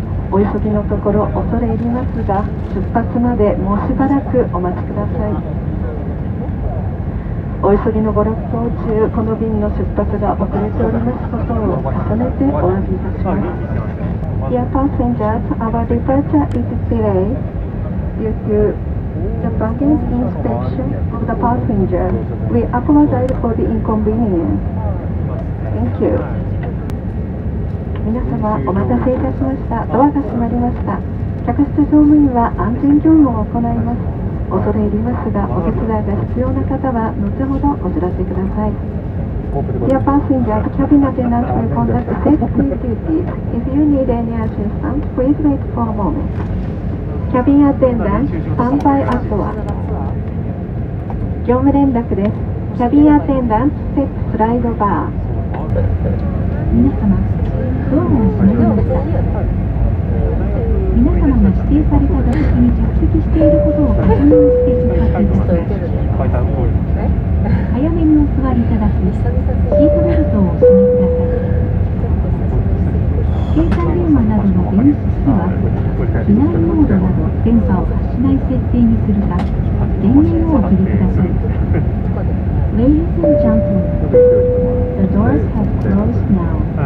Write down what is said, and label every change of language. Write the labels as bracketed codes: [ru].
[ja] お急ぎのところ恐れ入りますが、出発までもうしばらくお待ちください。お急ぎのご旅行中、この便の出発が遅れておりますことを重ねてお詫びいたします。 [en] Dear passengers, our departure is delayed due toThe baggage inspection of the passenger. We apologize for the inconvenience. Thank you. [ja] 皆様お待たせいたしました。ドアが閉まりました。客室乗務員は安全業務を行います。恐れ入りますが、お手伝いが必要な方は後ほどお知らせください。 [en] Dear passengers, cabin attendants will conduct safety duty. If you need any assistance, please wait for a moment. [ja] キャビンアテンダント、スタンバイアトワ。業務連絡です。キャビンアテンダント、ステップスライドバー。皆様、ドアが閉まりました。皆様が指定された座席に着席していることを確認してください。早めにお座りいただき、シートベルトをお締めください。携帯電話などの電子機器は機内モードなど電波を発しない設定にするか、電源をお切りください。 [en] Ladies and gentlemen, the doors have closed now.